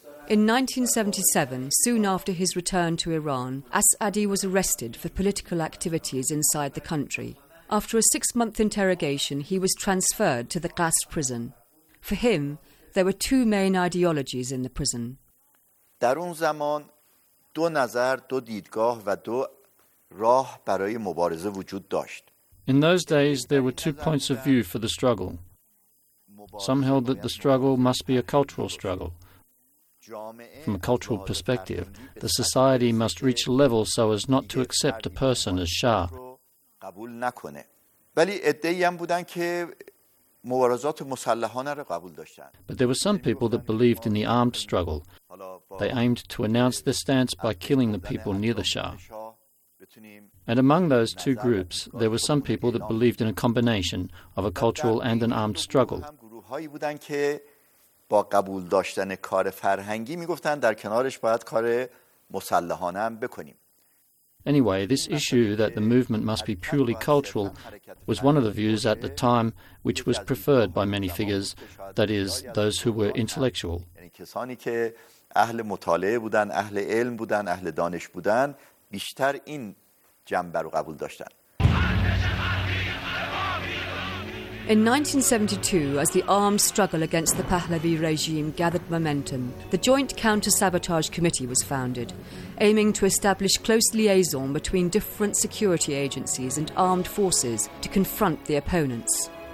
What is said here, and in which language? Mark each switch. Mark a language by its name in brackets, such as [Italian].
[English] In 1977, soon after his return to Iran, As'adi was arrested for political activities inside the country. After a six-month interrogation, he was transferred to the Qasr prison. For him, there were two main ideologies in the prison. [Persian] در اون زمان دو نظر، دو دیدگاه و دو راه برای مبارزه وجود داشت. [English] In those days, there were two points of view for the struggle. Some held that the struggle must be a cultural struggle. From a cultural perspective, the society must reach a level so as not to accept a person as Shah. But there were some people that believed in the armed struggle. They aimed to announce their stance by killing the people near the Shah. And among those two groups, there were some people that believed in a combination of a cultural and an armed struggle. [Persian] با قبول داشتن کار فرهنگی میگفتند در کنارش باید کار مسلحانه هم بکنیم. [English] Anyway, this issue that the movement must be purely cultural was one of the views at the time which was preferred by many figures, that is, those who were intellectual. [Persian] یعنی کسانی که اهل مطالعه بودن، اهل علم بودن، اهل دانش بودن، بیشتر این جنبه رو قبول داشتن. [English] In 1972, as the armed struggle against the Pahlavi regime gathered momentum, the Joint Counter-Sabotage Committee was founded, aiming to establish close liaison between different security agencies and armed forces to confront the opponents.